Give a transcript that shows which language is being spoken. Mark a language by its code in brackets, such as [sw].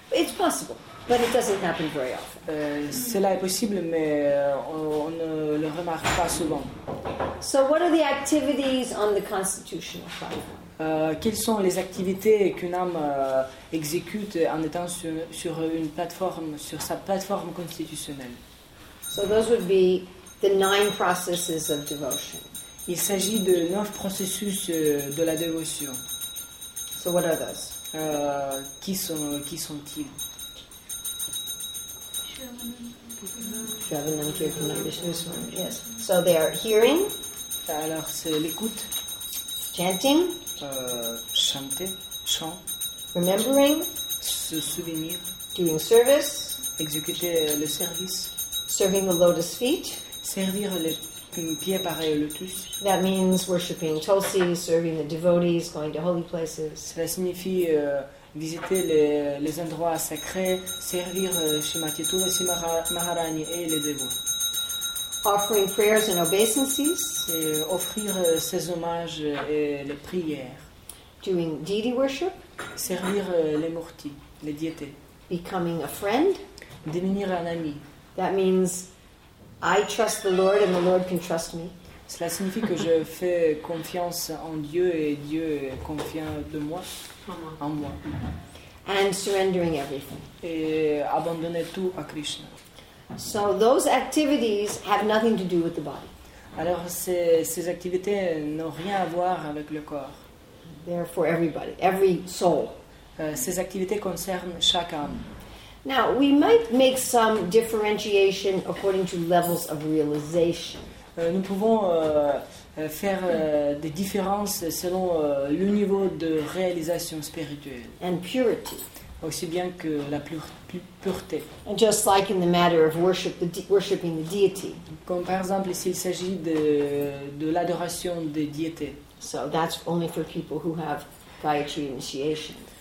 [en] It's possible, but it doesn't happen very often. [fr] Cela est possible, mais on ne le remarque pas souvent. [en] So what are the activities on the constitutional platform? [fr] Quelles sont les activités qu'une âme exécute en étant sur une plateforme, sur sa plateforme constitutionnelle? [en] So those would be the 9 processes of devotion. [fr] Il s'agit de 9 processus de la dévotion. [en] So what are those? [fr] Qui sont-ils? [sa] Shravanam, Kirtanam, Vishnusmaranam. [en] Yes. So they are hearing. [fr] Alors c'est l'écoute. [en] Chanting. [fr] Chanter. Chant. [en] Remembering. [fr] Se souvenir. [en] Doing service. [fr] Exécuter le service. [en] Serving the lotus feet. [fr] Servir les pieds pareils au lotus. [en] That means worshiping Tulsi, serving the devotees, going to holy places. [fr] Cela signifie visiter les endroits sacrés, servir Shrimati Tulsi Maharani et les dévots. [en] Offering prayers and obeisances. [fr] Et offrir ses hommages et les prières. [en] Doing deity worship. [fr] Servir les murtis, les diétés. [en] Becoming a friend. [fr] Devenir un ami. [en] That means I trust the Lord and the Lord can trust me. [fr] Cela signifie que je fais confiance en Dieu et Dieu est confiant de moi, en moi. [en] And surrendering everything. [fr] Et abandonner tout à Krishna. [en] So those activities have nothing to do with the body. [fr] Alors ces activités n'ont rien à voir avec le corps. [en] They're for everybody, every soul. [fr] Ces activités concernent chaque âme. [en] Now, we might make some differentiation according to levels of realization. [fr] Nous pouvons faire des différences selon le niveau de réalisation spirituelle. [en] And purity. [fr] Aussi bien que la pureté. [en] And just like in the matter of worship, worshiping the deity. [fr] Comme par exemple s'il s'agit de l'adoration des diétés. [en] So that's only for people who have Gayatri initiation.